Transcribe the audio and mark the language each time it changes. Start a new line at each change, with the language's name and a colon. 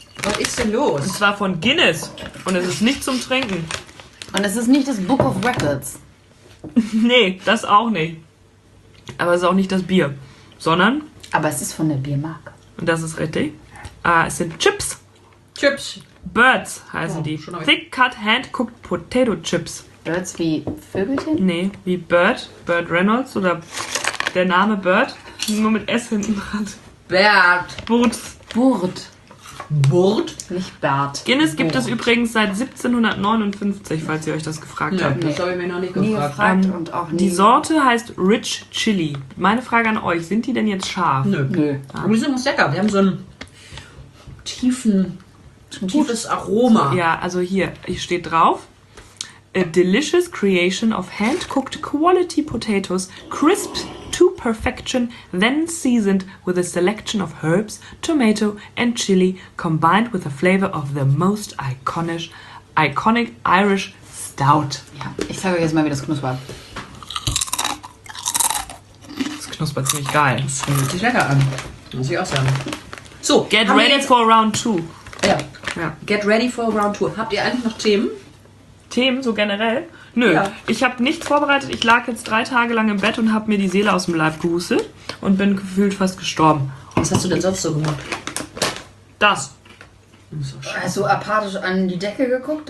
German: Was ist denn los? Und zwar von Guinness. Und es ist nicht zum Trinken. Und es ist nicht das Book of Records. Nee, das auch nicht. Aber es ist auch nicht das Bier. Sondern? Aber es ist von der Biermarke. Und das ist richtig. Es sind Chips. Chips. Birds heißen die.
English: Thick-cut hand-cooked potato chips.
German: Birds wie Vögelchen? Nee, wie Bird. Bird Reynolds oder der Name Bird. Nur mit S hinten dran. Bird. Burt. Nicht Bert. Guinness gibt es übrigens seit 1759, falls ihr euch das gefragt habt. Das habe ich mir noch nicht gefragt. Und auch nie. Die Sorte heißt Rich Chili. Meine Frage an euch, sind die denn jetzt scharf? Nö. Aber die sind ganz lecker. Die haben so ein tiefes Aroma. Ja, also hier steht drauf.
English: A delicious creation of hand-cooked quality potatoes, crisp to perfection, then seasoned with a selection of herbs, tomato and chili, combined with the flavor of the most iconic Irish stout.
German: Ja, ich zeige euch jetzt mal, wie das knuspert. Das knuspert ziemlich geil. Das fühlt sich lecker an. Muss ich auch sagen.
English: So, get ready for round two.
German: Ja.
English: Get ready for round two.
German: Habt ihr eigentlich noch Themen? Themen so generell? Nö, ich habe nichts vorbereitet. Ich lag jetzt 3 Tage lang im Bett und habe mir die Seele aus dem Leib gehustet und bin gefühlt fast gestorben. Was hast du denn sonst so gemacht? Das. Also apathisch an die Decke geguckt?